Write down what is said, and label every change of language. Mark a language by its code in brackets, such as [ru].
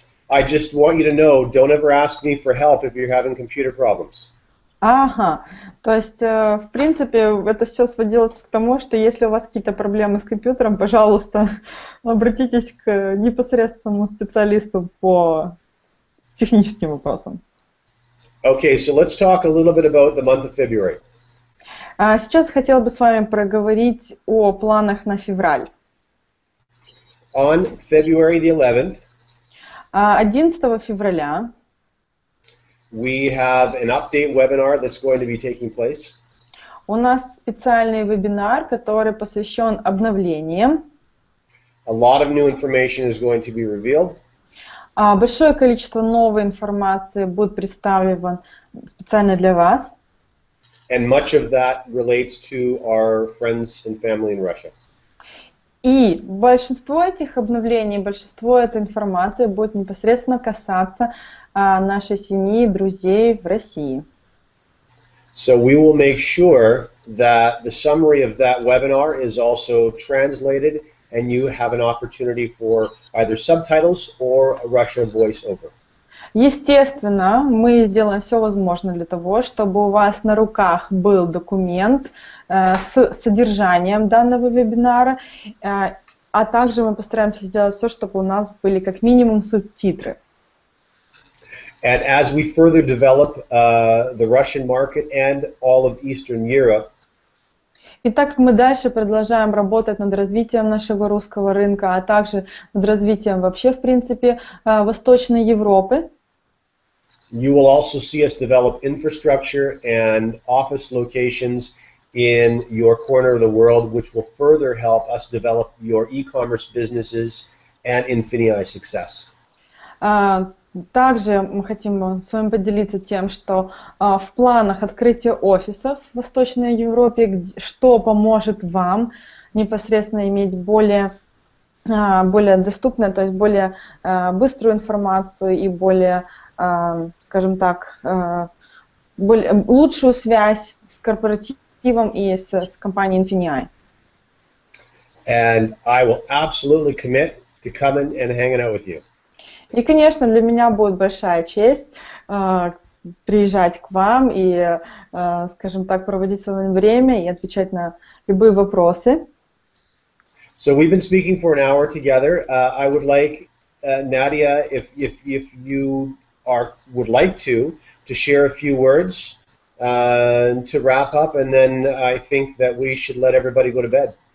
[en] I just want you to know, don't ever ask me for help if you're having computer problems. [ru] Ага. То есть, в принципе, это все сводилось к тому, что если у вас какие-то проблемы с компьютером, пожалуйста, обратитесь к непосредственному специалисту по техническим вопросам. [en] Okay, so let's talk a little bit about the month of February. [ru] Сейчас хотел бы с вами проговорить о планах на февраль. [en] On February the 11th, [ru] 11 февраля, [en] we have an update webinar that's going to be taking place. [ru] У нас специальный вебинар, который посвящен обновлениям. [en] A lot of new information is going to be revealed. [ru] Большое количество новой информации будет представлено специально для вас. [en] And much of that relates to our friends and family in Russia. [ru] И большинство этих обновлений, большинство этой информации будет непосредственно касаться нашей семьи, друзей в России. [en] So we will make sure that the summary of that webinar is also translated and you have an opportunity for either subtitles or a Russian voiceover. [ru] Естественно, мы сделаем все возможное для того, чтобы у вас на руках был документ с содержанием данного вебинара, а также мы постараемся сделать все, чтобы у нас были как минимум субтитры. [en] And as we further develop the Russian market and all of Eastern Europe, [ru] Итак, мы дальше продолжаем работать над развитием нашего русского рынка, а также над развитием вообще, в принципе, Восточной Европы. [en] You will also see us develop infrastructure and office locations in your corner of the world, which will further help us develop your e-commerce businesses and Infinii success. [ru] Также мы хотим с вами поделиться тем, что в планах открытие офисов в Восточной Европе, что поможет вам непосредственно иметь более доступную, то есть более быструю информацию и более, скажем так, более, лучшую связь с корпоративом и с компанией Infinii. [en] And I will absolutely commit to coming and hanging out with you. [ru] И, конечно, для меня будет большая честь приезжать к вам и, скажем так, проводить с вами время и отвечать на любые вопросы. [en] So we've been speaking for an hour together. I would like, Nadia, if you would like to share a few words to wrap up, and then I think that we should let everybody go to bed.